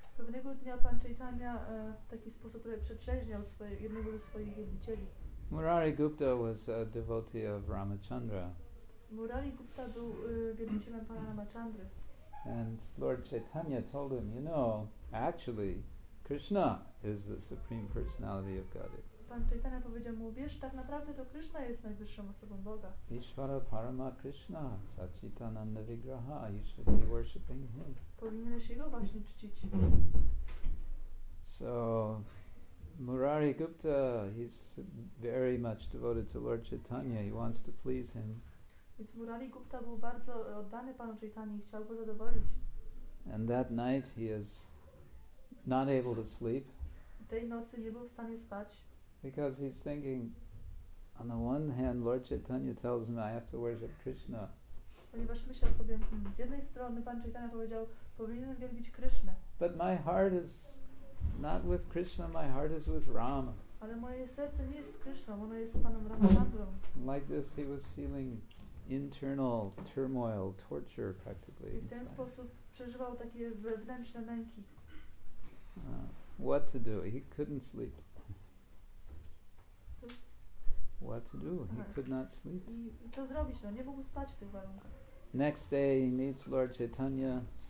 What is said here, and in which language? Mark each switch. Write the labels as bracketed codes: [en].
[pl] Pewnego dnia pan Chaitanya w taki sposób przetrzeźniał jednego ze swoich wielbicieli. [en] Murari Gupta was a devotee of Ramachandra. [pl] Murari Gupta był wielbicielem pana Ramachandry. [en] And Lord Chaitanya told him, you know, actually, Krishna is the supreme personality of Godhead. [pl] Pan Chaitanya powiedział mu, wiesz, tak naprawdę to Krishna jest najwyższą osobą Boga. [sa] Ishvara Parama Krishna, Satchitananda Vigraha, [en] you should be worshipping him. [pl] Powinieneś jego właśnie czcić. [en] So, Murari Gupta, he's very much devoted to Lord Chaitanya, he wants to please him. [pl] Więc Murari Gupta był bardzo oddany panu Chaitanyi i chciał go zadowolić. [en] And that night he is not able to sleep. [pl] Tej nocy nie był w stanie spać. [en] Because he's thinking, on the one hand, Lord Chaitanya tells me I have to worship Krishna. [pl] Ponieważ myślał sobie, z jednej strony pan Chaitanya powiedział, powinienem wielbić Krishnę. [en] But my heart is not with Krishna, my heart is with Rama. [pl] Ale moje serce nie jest z Krishną, ono jest z panem Ramachandrą. [en] Like this he was feeling internal turmoil, torture practically. [pl] I w ten sposób przeżywał takie wewnętrzne męki. [en] What to do? He couldn't sleep. What to do? He could not sleep. [pl] I co zrobić? No, nie mógł spać w tych warunkach. Next day he meets Lord Chaitanya.